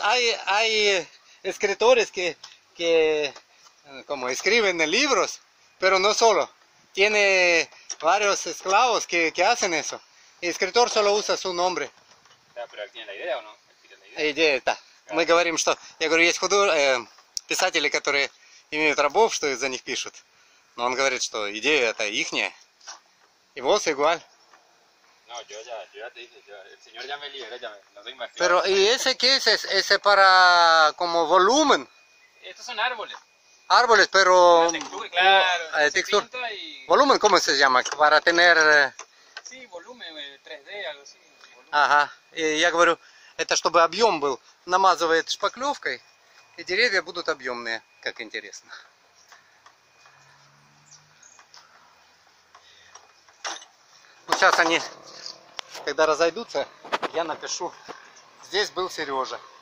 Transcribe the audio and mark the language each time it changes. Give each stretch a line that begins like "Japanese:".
Spanish: Hay escritores que como escriben libros, pero no solo. Tiene varios esclavos que hacen eso. El escritor solo usa su nombre. Pero él tiene la idea, ¿o no? Idea está.
Russian: Мы говорим, что... Я говорю, есть писатели, которые имеют рабов, что из-за них пишут. Но он говорит, что идея это ихняя. И вот, igual.
Spanish: No, yo ya te dije, el señor ya me libera, ya me, no soy más. Pero, ¿y ese qué es? ¿Ese para como volumen? Estos son árboles. Árboles, pero... Textura, claro. Textura. ¿Volumen cómo se llama? Para tener... Sí, volumen, 3D, algo así. Ajá, y ya говорю...
Russian: Это чтобы объем был. Намазывает шпаклевкой, и деревья будут объемные, как интересно. Ну, сейчас они, когда разойдутся, я напишу. Здесь был Сережа.